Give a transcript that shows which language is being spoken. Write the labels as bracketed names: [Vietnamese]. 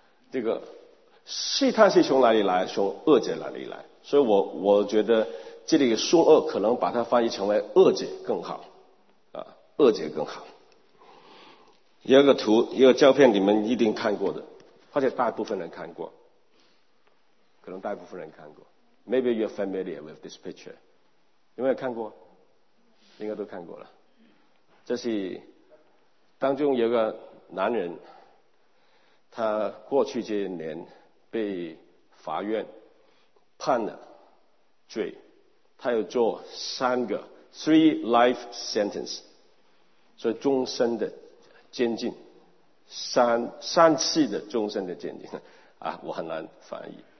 [Chinese] 这个试探是从哪里来？从恶者哪里来？所以我觉得这里说恶，可能把它翻译成为恶者更好啊，恶者更好。有一个图，一个照片，你们一定看过的，或者大部分人看过，可能大部分人看过。 [English] Maybe you're familiar with this picture. [Chinese] 有没有看过？应该都看过了。这是当中有个男人，他过去这些年被法院判了罪，他要做3 life sentence， 所以终身的监禁，三次的终身的监禁啊，我很难翻译。